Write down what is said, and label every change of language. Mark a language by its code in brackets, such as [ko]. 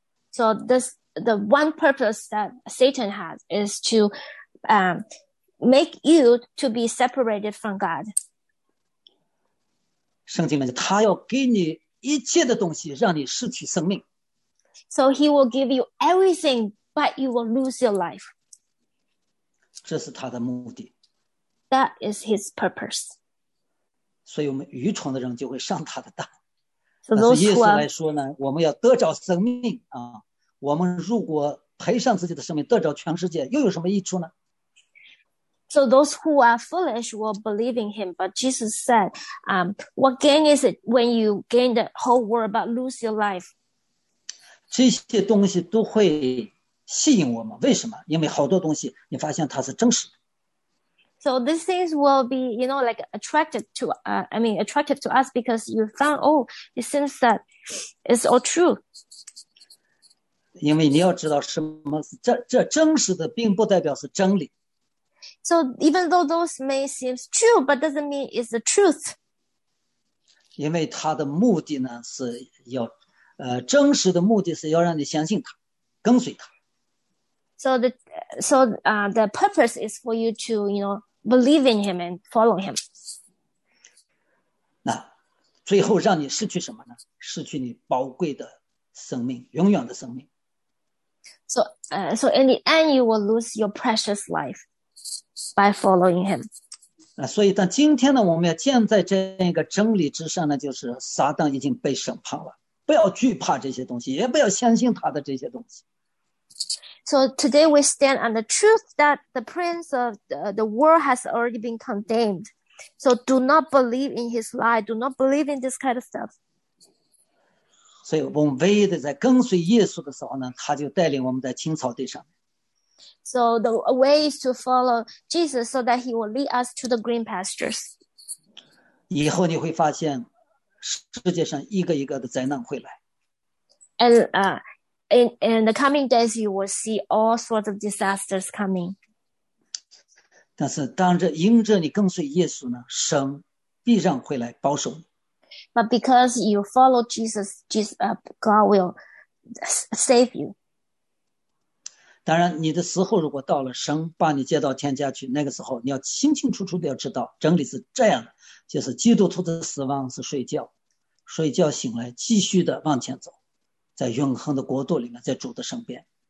[en] So the one purpose that Satan has is to make you to be separated from God. [zh] 圣经里面，他要给你一切的东西，让你失去生命。 [en] So he will give you everything, but you will lose your life. [zh] 这是他的目的。 [en] That is his purpose. [zh] 所以我们愚蠢的人就会上他的当。 [en] So those who are... [zh] 但是耶稣来说呢，我们要得着生命啊！我们如果赔上自己的生命，得着全世界，又有什么益处呢？ [en] So those who are foolish will believe in him, but Jesus said, "What gain is it when you gain the whole world but lose your life?" [zh] 这些东西都会吸引我们，为什么？因为好多东西你发现它是真实的。 [en] So these things will be, you know, like attracted to, attracted to us because you found, oh, it seems that it's all true. [zh] 因为你要知道什么是这真实的，并不代表是真理。 [en] So even though those may seem true, but doesn't mean it's the truth. [zh] 因为它的目的呢是要。真实的目的是要让你相信他，跟随他。 [en] So the purpose is for you to, you know, believe in him and follow him. [zh] 那最后让你失去什么呢？失去你宝贵的生命，永远的生命。 [en] So in the end, you will lose your precious life by following him. [zh] 那所以，但今天呢，我们要建在这样一个真理之上呢，就是撒旦已经被审判了。不要惧怕这些东西，也不要相信他的这些东西。 [en] So today we stand on the truth that the prince of the world has already been condemned. So do not believe in his lie. Do not believe in this kind of stuff. [zh] 所以我们唯一的在跟随耶稣的时候呢，他就带领我们在青草地上。 [en] So the way is to follow Jesus so that he will lead us to the green pastures. [zh] 以后你会发现世界上一个一个的灾难会来。 [en] And, in the coming days, you will see all sorts of disasters coming. [zh] 但是当着迎着你跟随耶稣呢，神必然会来保守你。 [en] But because you follow Jesus, God will save you. [zh] 当然你的时候如果到了，神把你接到天家去，那个时候你要清清楚楚的要知道真理是这样的，就是基督徒的死亡是睡觉，睡觉醒来继续的往前走，在永恒的国度里面，在主的身边。